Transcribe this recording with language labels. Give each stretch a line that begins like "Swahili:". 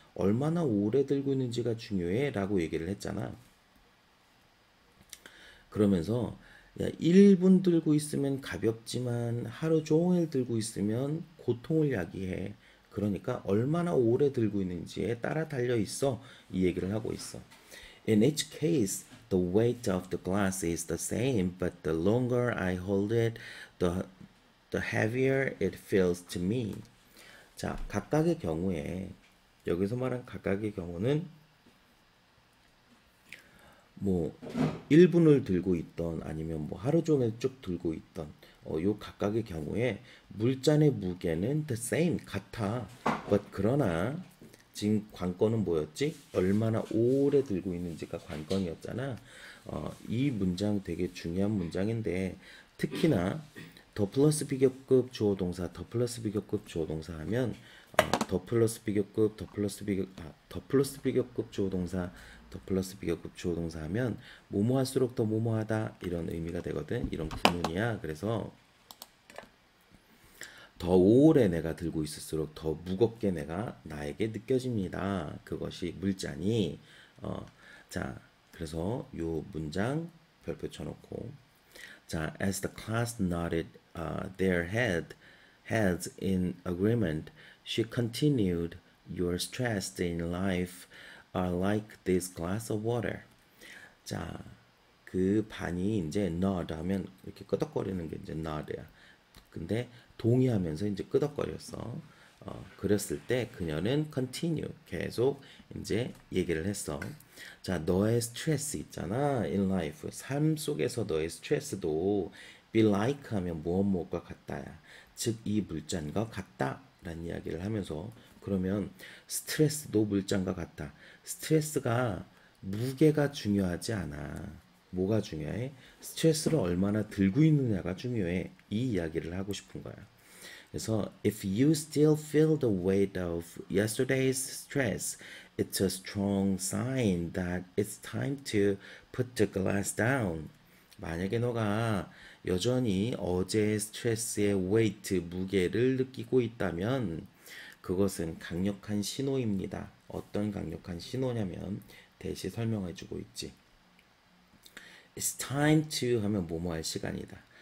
Korean: 얼마나 오래 들고 있는지가 중요해라고 얘기를 했잖아. 그러면서 야, 1분 들고 있으면 가볍지만 하루 종일 들고 있으면 고통을 야기해. 그러니까 얼마나 오래 들고 있는지에 따라 달려 있어. 이 얘기를 하고 있어.
English: In each case, the weight of the glass is the same, but the longer I hold it, the heavier it feels to me.
Korean: 자, 각각의 경우에, 여기서 말한 각각의 경우는, 뭐, 1분을 들고 있던, 아니면 뭐, 하루 종일 쭉 들고 있던, 요 각각의 경우에, 물잔의 무게는
English: the same,
Korean: 같아.
English: But,
Korean: 그러나, 지금 관건은 뭐였지? 얼마나 오래 들고 있는지가 관건이었잖아. 이 문장 되게 중요한 문장인데, 특히나, 더 플러스 비교급 주어 동사, 더 플러스 비교급 주어 동사 하면 더 플러스 비교급, 더 플러스 비교급 주어 동사, 더 플러스 비교급 주어 동사 하면 뭐뭐 할수록 더 뭐뭐하다 이런 의미가 되거든. 이런 구문이야. 그래서 더 오래 내가 들고 있을수록 더 무겁게 내가 나에게 느껴집니다. 그것이 물잖이. 자, 그래서 요 문장 별표 쳐놓고.
English: 자, as the class nodded their heads in agreement, she continued, "Your stress in life are like this glass of water."
Korean: 자, 그 반이 이제 nod 하면 이렇게 끄덕거리는 게 이제 nod야. 근데 동의하면서 이제 끄덕거렸어. 그랬을 때 그녀는 continue 계속 이제 얘기를 했어. 자, 너의 스트레스 있잖아.
English: In life
Korean: 삶 속에서 너의 스트레스도
English: be like
Korean: 하면 무엇무엇과 같다야. 즉이 물잔과 같다라는 이야기를 하면서 그러면 스트레스도 물잔과 같다. 스트레스가 무게가 중요하지 않아. 뭐가 중요해? 스트레스를 얼마나 들고 있느냐가 중요해. 이 이야기를 하고 싶은 거야. 그래서
English: if you still feel the weight of yesterday's stress, it's a strong sign that it's time to put the glass down.
Korean: 만약에 너가 여전히 어제의 스트레스의 weight 무게를 느끼고 있다면 그것은 강력한 신호입니다. 어떤 강력한 신호냐면 대시 설명해주고 있지.
English: It's time to
Korean: 하면 뭐뭐 할 시간이다.